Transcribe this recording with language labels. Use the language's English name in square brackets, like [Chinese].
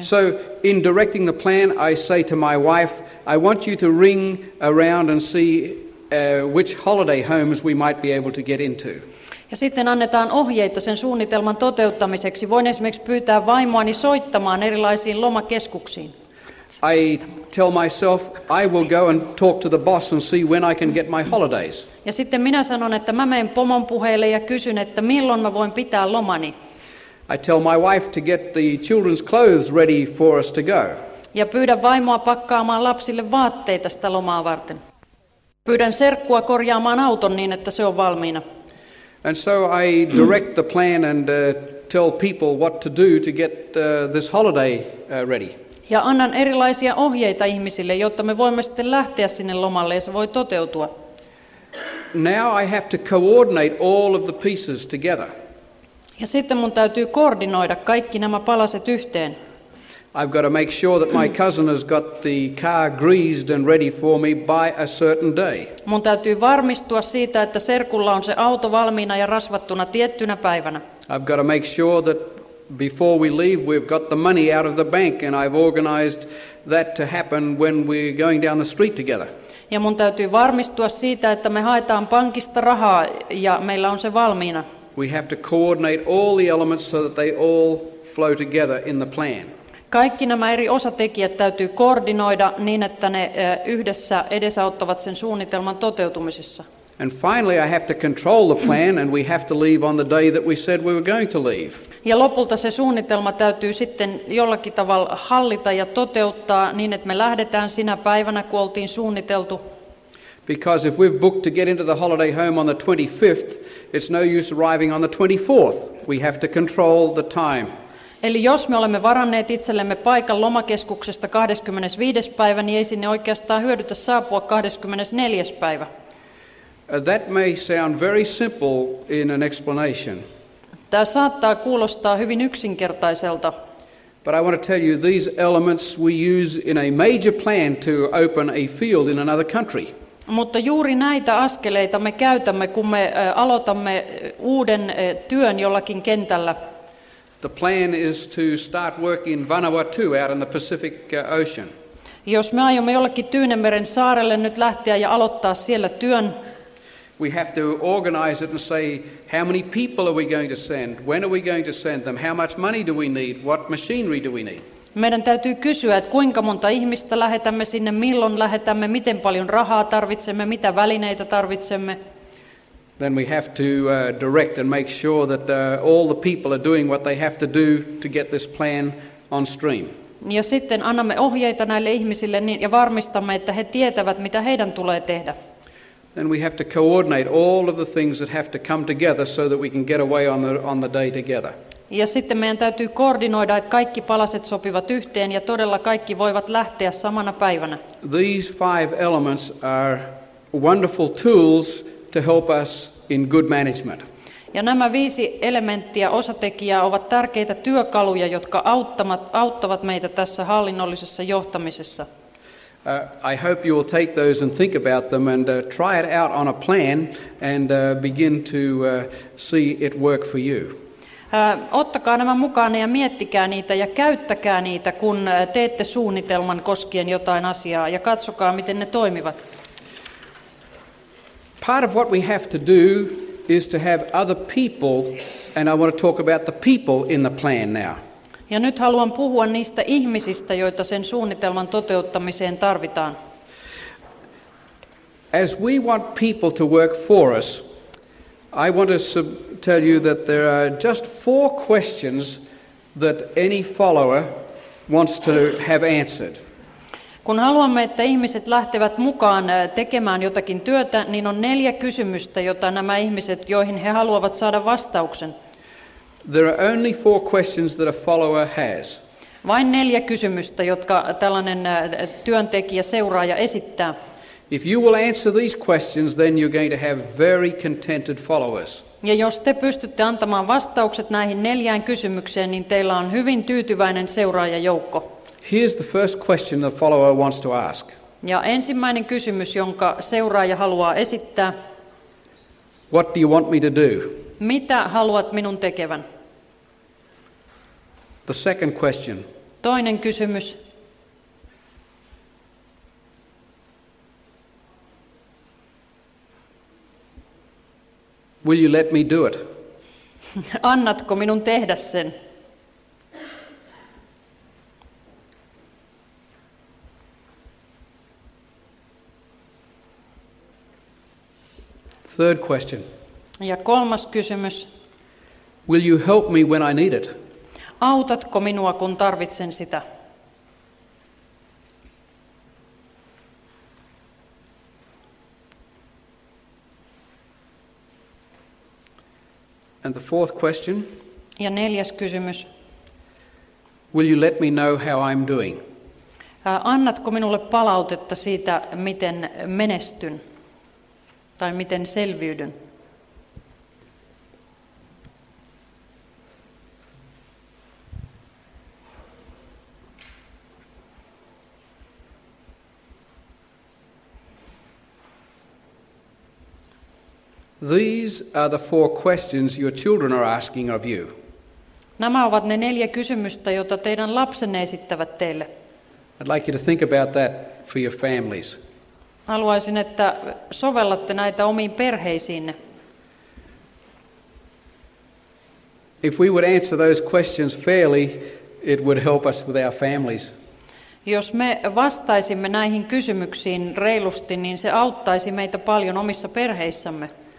[English] So in directing the plan, I say to my wife, I want you to ring around and see which holiday homes we might be able to get into. [Finnish] Ja sitten annetaan ohjeita sen suunnitelman toteuttamiseksi. Voin esimerkiksi pyytää vaimoani soittamaan erilaisiin lomakeskuksiin. [English] I tell myself I will go and talk to the boss and see when I can get my holidays. [Finnish] Ja sitten minä sanon, että mä menen pomon puheille ja kysyn, että milloin mä voin pitää lomani. [English] I tell my wife to get the children's clothes ready for us to go. [Finnish] Ja pyydän vaimoa pakkaamaan lapsille vaatteita sitä lomaa varten. Pyydän serkkua korjaamaan auton niin, että se on valmiina. [English] And so I direct the plan and tell people what to do to get this holiday ready. [Finnish] Ja annan erilaisia ohjeita ihmisille, jotta me voimme sitten lähteä sinne lomalle ja se voi toteutua. [English] Now I have to coordinate all of the pieces together. [Finnish] Ja sitten mun täytyy koordinoida kaikki nämä palaset yhteen. [English] I've got to make sure that my cousin has got the car greased and ready for me by a certain day. [Finnish] Mun täytyy varmistua siitä, että serkulla on se auto valmiina ja rasvattuna tiettynä päivänä. [English] I've got to make sure that before we leave, we've got the money out of the bank, and I've organized that to happen when we're going down the street together. [Finnish] Ja mun täytyy varmistua siitä, että me haetaan pankista rahaa ja meillä on se valmiina. [English] We have to coordinate all the elements so that they all flow together in the plan. [Finnish] Kaikki nämä eri osatekijät täytyy koordinoida niin, että ne yhdessä edesauttavat sen suunnitelman toteutumisessa. [English] And finally I have to control the plan and we have to leave on the day that we said we were going to leave. [Finnish] Ja lopulta se suunnitelma täytyy sitten jollakin tavalla hallita ja toteuttaa niin, että me lähdetään sinä päivänä, kun oltiin suunniteltu. [English] Because if we've booked to get into the holiday home on the 25th, it's no use arriving on the 24th. We have to control the time. [Finnish] Eli jos me olemme varanneet itsellemme paikan lomakeskuksesta 25. päivä, niin ei sinne oikeastaan hyödytä saapua 24. päivä. [English] That may sound very simple in an explanation. [Finnish] Tämä saattaa kuulostaa hyvin yksinkertaiselta. [English] But I want to tell you these elements we use in a major plan to open a field in another country. [Finnish] Mutta juuri näitä askeleita me käytämme, kun me aloitamme uuden työn jollakin kentällä. [English] The plan is to start working Vanuatu out in the Pacific Ocean. [Finnish] Jos me aiomme jollekin Tyynenmeren saarelle nyt lähteä ja aloittaa siellä työn, [English] we have to organize it and say how many people are we going to send, when are we going to send them, how much money do we need, what machinery do we need. [Finnish] Meidän täytyy kysyä, että kuinka monta ihmistä lähetämme sinne, milloin lähetämme, miten paljon rahaa tarvitsemme, mitä välineitä tarvitsemme. [English] Then we have to direct and make sure that all the people are doing what they have to do to get this plan on stream. [Finnish] Ja sitten annamme ohjeita näille ihmisille niin, ja varmistamme, että he tietävät, mitä heidän tulee tehdä. [English] Then we have to coordinate all of the things that have to come together so that we can get away on the day together. [Finnish] Ja sitten meidän täytyy koordinoida, että kaikki palaset sopivat yhteen ja todella kaikki voivat lähteä samana päivänä. [English] These five elements are wonderful tools to help us in good management. [Finnish] Ja nämä viisi elementtiä, osatekijää, ovat tärkeitä työkaluja, jotka auttavat meitä tässä hallinnollisessa johtamisessa. [English] I hope you will take those and think about them and try it out on a plan and begin to see it work for you. [Finnish] Ottakaa nämä mukaan ja miettikää niitä ja käyttäkää niitä, kun teette suunnitelman koskien jotain asiaa ja katsokaa, miten ne toimivat. [English] Part of what we have to do is to have other people, and I want to talk about the people in the plan now. [Finnish] Ja nyt haluan puhua niistä ihmisistä, joita sen suunnitelman toteuttamiseen tarvitaan. [English] As we want people to work for us, I want to tell you that there are just four questions that any follower wants to have answered. [Finnish] Kun haluamme, että ihmiset lähtevät mukaan tekemään jotakin työtä, niin on neljä kysymystä, joita nämä ihmiset, joihin he haluavat saada vastauksen. [English] There are only four questions that a follower has. [Finnish] Vain neljä kysymystä, jotka tällainen työntekijä, seuraaja esittää. [English] If you will answer these questions, then you're going to have very contented followers. [Finnish] Ja jos te pystytte antamaan vastaukset näihin neljään kysymykseen, niin teillä on hyvin tyytyväinen seuraajajoukko. [English] Here's the first question the follower wants to ask. [Finnish] Ja ensimmäinen kysymys, jonka seuraaja haluaa esittää. [English] What do you want me to do? [Finnish] Mitä haluat minun tekevän? [English] The second question. [Finnish] Toinen kysymys. [English] Will you let me do it? [Finnish] Annatko minun tehdä sen? [English] Third question. [Finnish] Ja kolmas kysymys. [English] Will you help me when I need it? [Finnish] Autatko minua, kun tarvitsen sitä? [English] And the fourth question. [Finnish] Ja neljäs kysymys. [English] Will you let me know how I'm doing? [Finnish] Annatko minulle palautetta siitä, miten menestyn? Tai miten selviydyn? [English] These are the four questions your children are asking of you. [Finnish] Nämä ovat ne neljä kysymystä, joita teidän lapsenne esittävät teille. [English] I'd like you to think about that for your families. [Finnish] Haluaisin, että sovellatte näitä omiin perheisiinne. [English] If we would answer those questions fairly, it would help us with our families. [Finnish] Jos me vastaisimme näihin kysymyksiin reilusti, niin se auttaisi meitä paljon omissa perheissämme.